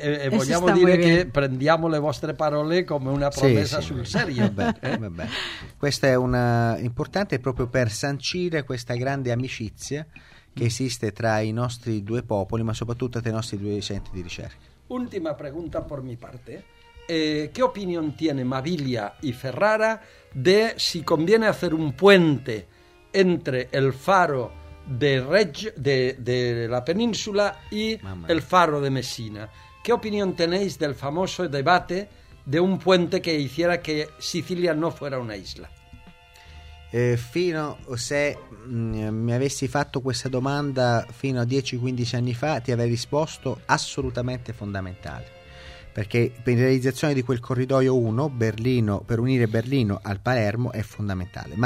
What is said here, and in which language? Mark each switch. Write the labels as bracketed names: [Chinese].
[Italian] Vogliamo dire che prendiamo le vostre parole come una promessa sul serio. Vabbè. Questa è una importante proprio per sancire questa grande amicizia che esiste tra i nostri due popoli, ma soprattutto tra i nostri due centri di ricerca. [Spanish] Ultima pregunta por mi parte. ¿Qué opinión tiene Mavilia y Ferrara de si conviene hacer un puente entre el faro de la península y el faro de Messina? ¿Qué opinión tenéis del famoso debate de un puente que hiciera que Sicilia no fuera una isla? [Italian] Fino, se mi avessi fatto questa domanda fino a 10-15 anni fa, ti avrei risposto assolutamente fondamentale, perché per la realizzazione di quel corridoio 1 Berlino, per unire Berlino al Palermo, è fondamentale.